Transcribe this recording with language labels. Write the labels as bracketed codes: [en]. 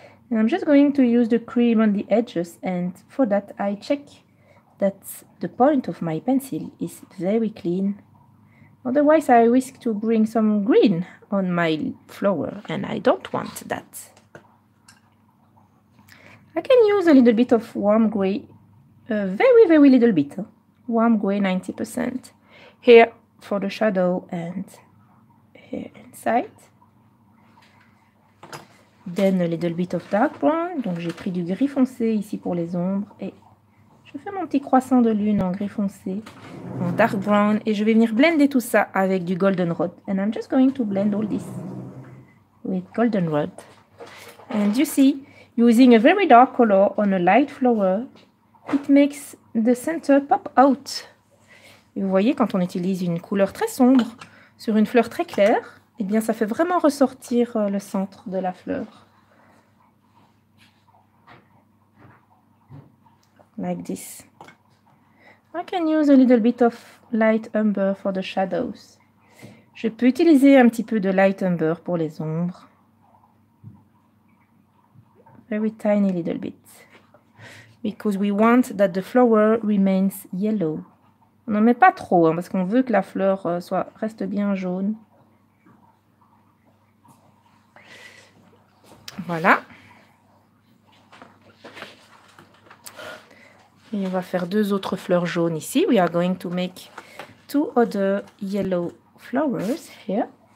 [en] And I'm just going to use the cream on the edges, and for that I check that the point of my pencil is very clean. Otherwise I risk to bring some green on my flower, and I don't want that. I can use a little bit of warm gray, a very, very little bit, warm gray 90%, here for the shadow and here inside. Then a little bit of dark brown, [fr] donc j'ai pris du gris foncé ici pour les ombres et je fais mon petit croissant de lune en gris foncé, en dark brown, et je vais venir blender tout ça avec du goldenrod. [en] And I'm just going to blend all this with goldenrod. And you see, using a very dark color on a light flower, it makes the center pop out. [fr] Et vous voyez, quand on utilise une couleur très sombre sur une fleur très claire, eh bien, ça fait vraiment ressortir le centre de la fleur. [en] Like this. I can use a little bit of light umber for the shadows. [fr] Je peux utiliser un petit peu de light umber pour les ombres. [en] Very tiny little bit. Because we want that the flower remains yellow. [fr] On n'en met pas trop, hein, parce qu'on veut que la fleur reste bien jaune. Voilà. Et on va faire deux autres fleurs jaunes ici. [en] We are going to make two other yellow flowers here.